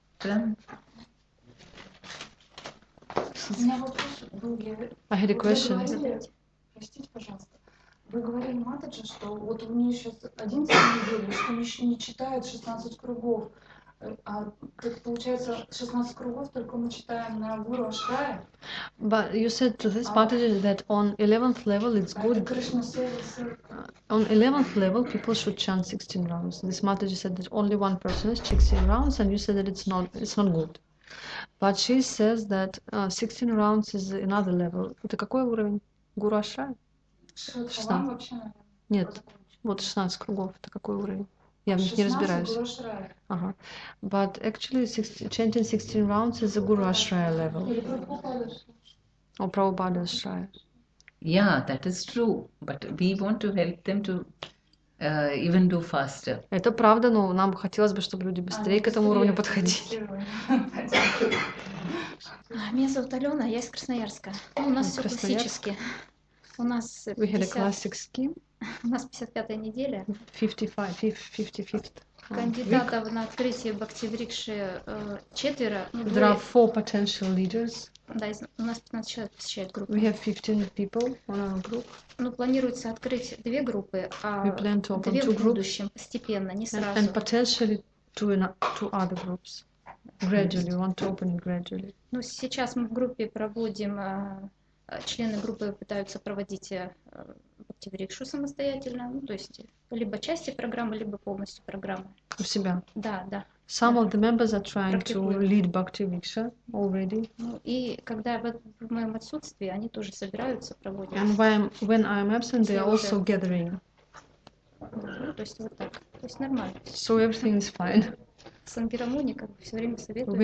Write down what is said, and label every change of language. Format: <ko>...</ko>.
<ru>прям. У меня вопрос был, простите, пожалуйста. Вы говорили Матаджи, что вот у меня сейчас 11 недель, что он еще не читает 16 кругов. А так получается 16 кругов только мы читаем на Гуру Аштая.</ru> <en>But you said to this Mataji that on 11th level it's good. On 11th level people should chant 16 rounds. This Mataji said that only one person is 16 rounds, and you said that it's not good. But she says that 16 rounds is another level.</en> <ru>Это какой уровень? Гуру Ашрая? 16. Нет, вот 16 кругов. Это какой уровень? Я в них не разбираюсь. Ага.</ru> <en>But actually, chanting 16 rounds is a Guru Ashraya level. Or Prabhupada Ashraya. Yeah, that is true. But we want to help them to even do faster.</en> <ru>Это правда, но нам хотелось бы, чтобы люди быстрее к этому уровню подходили. Меня зовут Алена, я из Красноярска. У нас все классически. У нас</ru> <en>We had a classic scheme.</en> <ru>У нас 55-я неделя.</ru> <en>55th.</en> <ru>Кандидатов на открытие Бхактиврикши четверо.</ru> <en>There are four potential leaders.</en> <ru>Да, у нас 15 человек посещает группу.</ru> <en>We have 15 people on our group.</en> <ru>Ну, планируется открыть две группы, а</ru> <en>We plan to open</en> <ru>две</ru> <en>two</en> <ru>в будущем, постепенно, не сразу.</ru> <en>And potentially two other groups. Gradually, we want to open it gradually.</en> <ru>Ну, сейчас мы в группе проводим, члены группы пытаются проводить Бхактиврикшу самостоятельно, ну, то есть либо части программы, либо полностью программы. У себя? Да, да.</ru> <en>Some of the members are trying to lead Bhaktivriksha already.</en> <ru>Ну, и когда в моем отсутствии, они тоже собираются проводить.</ru> <en>And when I'm absent, they are also gathering.</en> <ru>То есть вот так. То есть нормально.</ru> <en>So everything is fine.</en> <ru>С Ангирамуни как бы все время советуемся.</ru>